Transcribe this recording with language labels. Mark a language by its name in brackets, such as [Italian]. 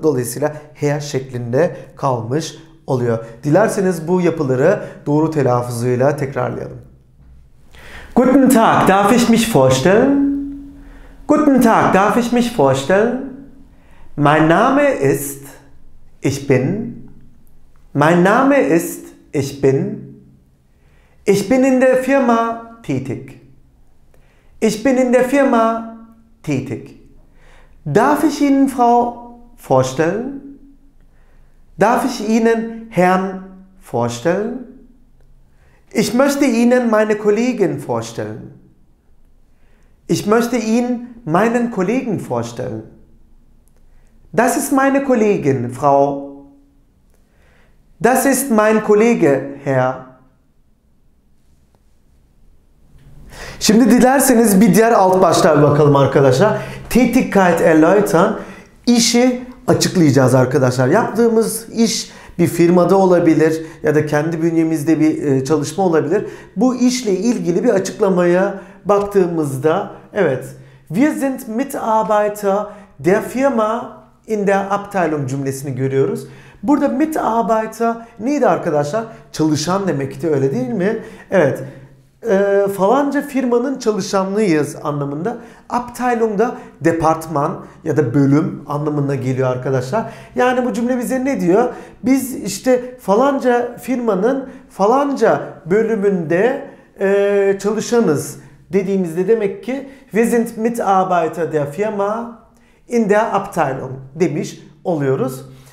[Turkish] Dolayısıyla Herr şeklinde kalmış oluyor. Dilerseniz bu yapıları doğru telaffuzuyla tekrarlayalım. [German] Guten Tag, darf ich mich vorstellen? Guten Tag, darf ich mich vorstellen? Mein Name ist, ich bin. Mein Name ist, ich bin. Ich bin in der Firma tätig. Ich bin in der Firma tätig. Darf ich Ihnen Frau vorstellen? Darf ich Ihnen Herrn vorstellen? Ich möchte Ihnen meine Kollegin vorstellen. Ich möchte Ihnen meinen Kollegen vorstellen. Das ist meine Kollegin, Frau. Das ist mein Kollege, Herr. [Turkish] Şimdi dilerseniz bir diğer alt başlığa bakalım arkadaşlar. [German] Tätigkeit erläutern, [Turkish] işi açıklayacağız arkadaşlar. Yaptığımız iş bir firmada olabilir ya da kendi bünyemizde bir çalışma olabilir. Bu işle ilgili bir açıklamaya baktığımızda, evet. [German] Wir sind Mitarbeiter der Firma in der Abteilung [Turkish] cümlesini görüyoruz. Burada Mitarbeiter neydi arkadaşlar? Çalışan demekti, öyle değil mi? Evet. Falanca firmanın çalışanlıyız anlamında. Abteilung da departman ya da bölüm anlamına geliyor arkadaşlar. Yani bu cümle bize ne diyor? Biz işte falanca firmanın falanca bölümünde çalışanız dediğimizde demek ki [German] wir sind Mitarbeiter der Firma in der Abteilung [Turkish] demiş oluyoruz.